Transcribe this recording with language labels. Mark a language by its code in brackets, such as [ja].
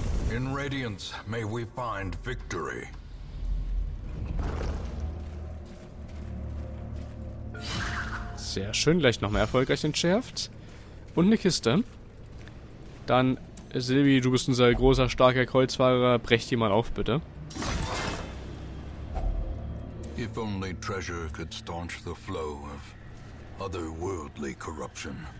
[en] In Radiance may we find victory. [de] Sehr schön, gleich nochmal erfolgreich entschärft. Und eine Kiste. Dann, Silvi, du bist unser großer, starker Kreuzfahrer. Brech die mal auf, bitte. [en] If only treasure could staunch the flow of otherworldly corruption.